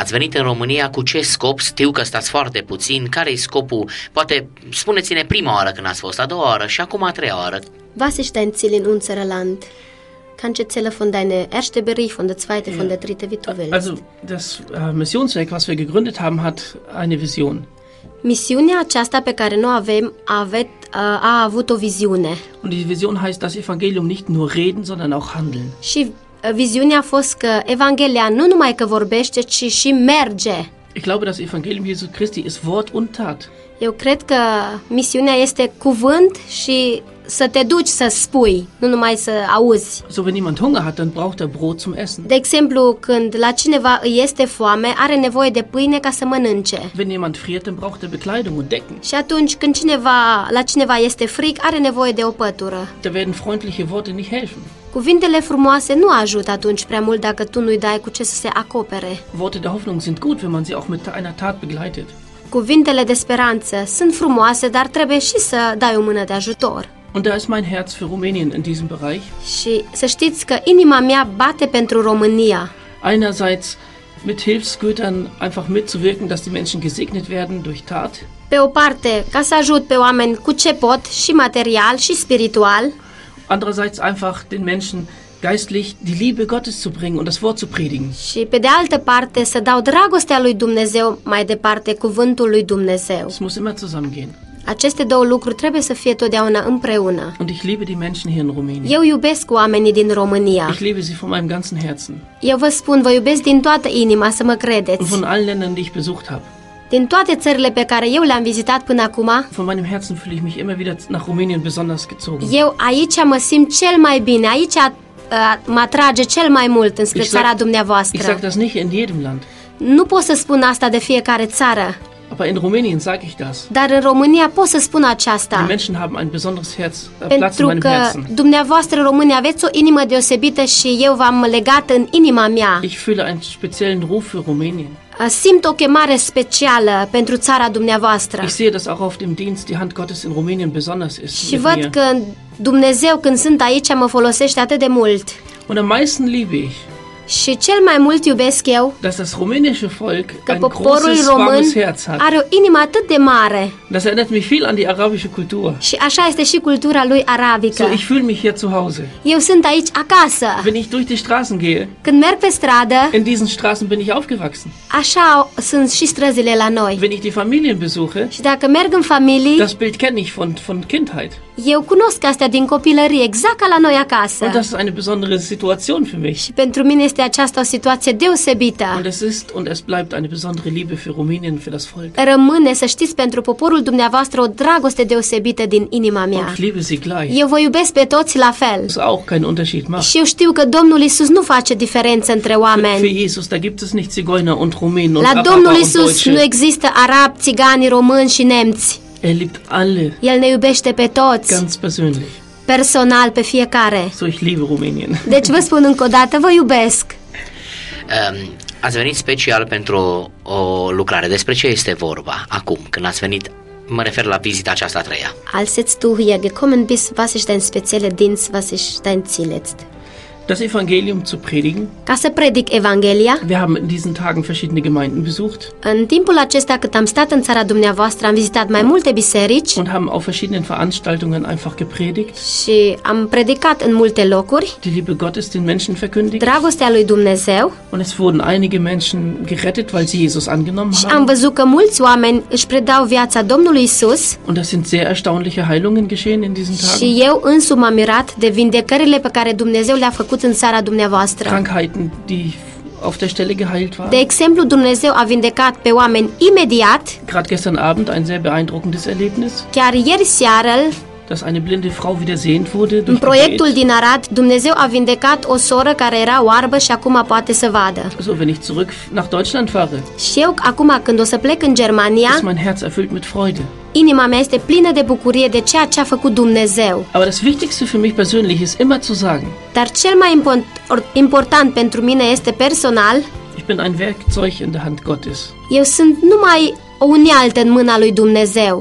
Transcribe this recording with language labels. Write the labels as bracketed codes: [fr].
[ro] Ați venit în România cu ce scop? Știu că stați foarte puțin. Care-i scopul? Poate spuneți-ne prima oară când ați fost, a doua oară și acum a treia oară. [de] Was ist dein Ziel in unser Land? Kannst du erzählen von deinem ersten Bericht, von der zweiten, von der dritten, wie du willst? Also, das Missionswerk, was wir gegründet haben, hat eine Vision. [ro] Misiunea aceasta pe care noi avem a avut o viziune. [de] Und die Vision heißt, das Evangelium nicht nur reden, sondern auch handeln. [ro] Și viziunea a fost că Evanghelia nu numai că vorbește, ci și merge. [de] Ich glaube, das Evangelium Jesu Christi ist Wort und Tat. [ro] Eu cred că misiunea este cuvânt și să te duci să spui, nu numai să auzi. [de] So, wenn jemand Hunger hat, dann braucht er Brot zum Essen. [ro] De exemplu, când la cineva îi este foame, are nevoie de pâine ca să mănânce. [de] Wenn jemand friert, dann braucht er Bekleidung und Decken. [ro] Și atunci când la cineva este frig, are nevoie de o pătură. [de] Da werden freundliche Worte nicht helfen. [ro] Cuvintele frumoase nu ajută atunci prea mult dacă tu nu-i dai cu ce să se acopere. [de] Worte der Hoffnung sind gut, wenn man sie auch mit einer Tat begleitet. [ro] Cuvintele de speranță sunt frumoase, dar trebuie și să dai o mână de ajutor. [de] Und da ist mein Herz für Rumänien in diesem Bereich. [ro] Și să știți că inima mea bate pentru România. [de] Einerseits mit Hilfsgütern einfach mitzuwirken, dass die Menschen gesegnet werden durch Tat. [ro] Pe o parte, ca să ajut pe oameni cu ce pot, și material și spiritual. [de] Andererseits einfach den Menschen geistlich die Liebe Gottes zu bringen und das Wort zu predigen. [ro] Și pe de altă parte să dau dragostea lui Dumnezeu mai departe, cuvântul lui Dumnezeu. [de] Es muss immer zusammengehen. [ro] Aceste două lucruri trebuie să fie totdeauna împreună. [de] Und ich liebe die Menschen hier in Rumänien. [ro] Eu iubesc oamenii din România. [de] Ich liebe sie von meinem ganzen Herzen. [ro] Eu vă spun, vă iubesc din toată inima, să mă credeți. [de] Und von allen Ländern, die ich besucht habe. [ro] Din toate țările pe care eu le-am vizitat până acum. [de] Von meinem Herzen fühle ich mich immer wieder nach Rumänien besonders gezogen. [ro] Eu aici mă simt cel mai bine, aici mă atrage cel mai mult înspre țara dumneavoastră. [de] Ich sag das nicht in jedem Land. [ro] Nu pot să spun asta de fiecare țară. [de] Aber in Rumänien sage ich das. [ro] Dar în România pot să spun aceasta. [de] Die Menschen haben ein besonderes Herz, [ro] Pentru [de] Platz in meinem [ro] că [de] Herzen. [ro] Dumneavoastră, România, aveți o inimă deosebită și eu v-am legat în inima mea. [de] Ich fühle einen speziellen Ruf für Rumänien. [ro] Simt o chemare specială pentru țara dumneavoastră. [de] Ich sehe, dass auch auf dem Dienst die Hand Gottes in Rumänien besonders ist. [ro] Și văd că Dumnezeu, când sunt aici, mă folosește atât de mult. [de] Und am meisten liebe ich. [ro] Și cel mai mult iubesc eu [de] dass das rumänische Volk [ro] că poporul român are o inimă atât de mare. [de] Das erinnert mich viel an die arabische Kultur. [ro] Și așa este și cultura lui arabică. [de] So, ich fühle mich hier zu Hause. [ro] Eu sunt aici acasă. [de] Wenn ich durch die Straßen gehe, [ro] când merg pe stradă, [de] in diesen Straßen bin ich aufgewachsen. [ro] Așa sunt și străzile la noi. [de] Wenn ich die Familien besuche, [ro] și dacă merg în familie, [de] das Bild kenne ich von Kindheit. [ro] Eu cunosc astea din copilărie, exact ca la noi acasă. [de] Und das ist eine besondere Situation für mich. [ro] Și pentru mine este această situație deosebită. [de] Und es ist und es bleibt eine besondere Liebe für Rumänien, für das Volk. [ro] Rămâne, să știți, pentru poporul dumneavoastră o dragoste deosebită din inima mea. [de] Und ich liebe sie gleich. [ro] Eu vă iubesc pe toți la fel. [de] Das auch keinen Unterschied macht. [ro] Și eu știu că Domnul Iisus nu face diferență între oameni. [de] Für Jesus, da gibt es nicht Zigeuner und Rumänen und [ro] La Domnul Iisus nu există arabi, țigani, români și nemți. [de] Er liebt alle. [ro] El ne iubește pe toți. [de] Ganz persönlich. [ro] Personal pe fiecare. [de] So, ich liebe Rumänien. [ro] Deci vă spun încă o dată, vă iubesc. Ați venit special pentru o lucrare. Despre ce este vorba acum, când ați venit? Mă refer la vizita aceasta a treia. [de] Als jetzt du hier gekommen bist, was ist dein spezieller Dienst, was ist dein Ziel jetzt? das Evangelium zu predigen. [ro] Ca să predic Evanghelia. [de] Wir haben in diesen Tagen verschiedene Gemeinden besucht. [ro] În timpul acesta cât am stat în țara dumneavoastră, am vizitat mai multe biserici. [de] Und haben auf verschiedenen Veranstaltungen einfach gepredigt. [ro] Și am predicat în multe locuri. [de] Die Liebe Gottes den Menschen verkündigt. [ro] Dragostea lui Dumnezeu. [de] Und es wurden einige Menschen gerettet, weil sie Jesus angenommen haben. [ro] Și am văzut că mulți oameni își predau viața Domnului Isus. [de] Und das sind sehr erstaunliche Heilungen geschehen in diesen Tagen. [ro] Și eu însumi am mirat de vindecările pe care Dumnezeu le-a făcut în țara dumneavoastră. [de] Krankheiten, die auf der Stelle geheilt waren. [ro] De exemplu, Dumnezeu a vindecat pe oameni imediat. [de] Gerade gestern Abend ein sehr beeindruckendes Erlebnis. [ro] Chiar ieri seară, [de] dass eine blinde Frau wieder sehend wurde. [ro] În proiectul din Arad, Dumnezeu a vindecat o soră care era oarbă și acum poate să vadă. [de] So, wenn ich zurück nach Deutschland fahre. [ro] Și eu acum când o să plec în Germania, [de] ist mein Herz erfüllt mit Freude. [ro] Inima mea este plină de bucurie de ceea ce a făcut Dumnezeu. [de] Aber das Wichtigste für mich persönlich ist immer zu sagen. [ro] Dar cel mai important pentru mine este personal. [de] Ich bin ein Werkzeug in der Hand Gottes. [ro] Eu sunt numai o unealtă în mâna lui Dumnezeu.